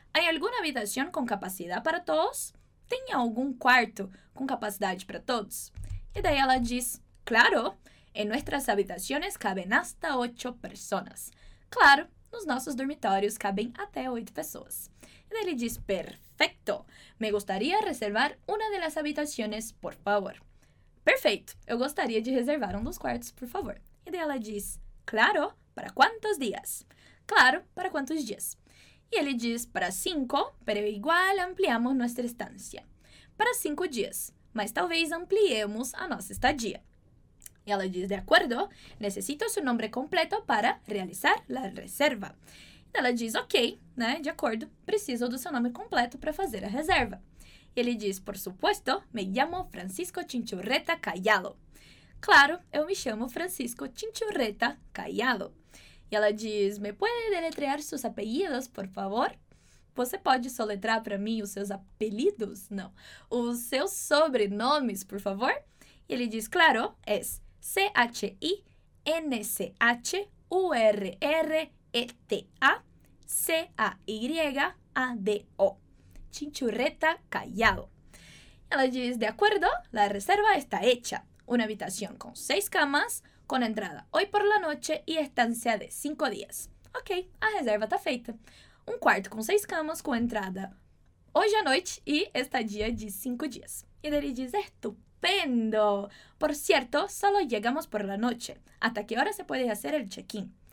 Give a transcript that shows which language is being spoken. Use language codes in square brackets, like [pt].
[es] ¿Hay alguna habitación con capacidad para todos? [pt] Tem algum quarto com capacidade para todos? E daí ela diz: [es] Claro, en nuestras habitaciones caben hasta 8 personas. [pt] Claro, nos nossos dormitórios cabem até 8 pessoas. E daí ele diz: [es] Perfecto, me gustaría reservar una de las habitaciones, por favor. [pt] Perfeito, eu gostaria de reservar um dos quartos, por favor. E daí ela diz: Claro, para quantos dias? Claro, para quantos dias? E ele diz: [es] Para 5, pero igual ampliamos nuestra estancia. [pt] Para 5 dias, mas talvez ampliemos a nossa estadia. E ela diz: [es] De acuerdo, necesito su nombre completo para realizar la reserva. [pt] E ela diz: Ok, né, de acordo, preciso do seu nome completo para fazer a reserva. E ele diz: [es] Por supuesto, me llamo Francisco Chinchurreta Callalo. [pt] Claro, eu me chamo Francisco Chinchurreta Callalo. E ela diz: [es] Me puede deletrear sus apellidos, por favor? [pt] Você pode soletrar para mim os seus apelidos? Não, os seus sobrenomes, por favor? E ele diz: [es] Claro, es C-H-I-N-C-H-U-R-R-E-T-A C-A-Y-A-D-O Chinchurreta Callado. [pt] Ela diz: [es] De acuerdo, la reserva está hecha. Una habitación con 6 camas, con entrada hoy por la noche y estancia de 5 días. [pt] Ok, a reserva está feita. Um quarto com 6 camas, com entrada hoje à noite e estadia de 5 dias. E ele diz: Estupendo! [es] Por cierto, solo llegamos por la noche. ¿Hasta qué hora se puede hacer el check-in?